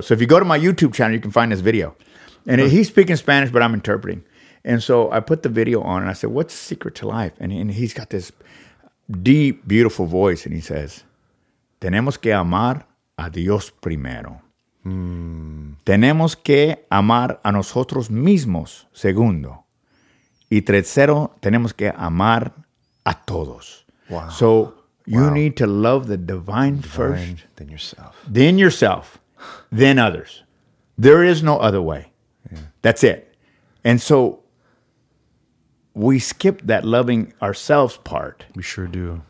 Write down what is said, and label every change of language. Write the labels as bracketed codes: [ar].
[en] So if you go to my YouTube channel, you can find this video. And he's speaking Spanish, but I'm interpreting. And so I put the video on, and I said, "What's the secret to life?" And he's got this deep, beautiful voice, and he says, [es] "Tenemos que amar a Dios primero. Tenemos que amar a nosotros mismos segundo. Y tercero, tenemos que amar a todos." [en] Wow. So you need to love the divine first. Then yourself. Then yourself. Then others. There is no other way. Yeah. That's it. And so we skip that loving ourselves part. We sure do.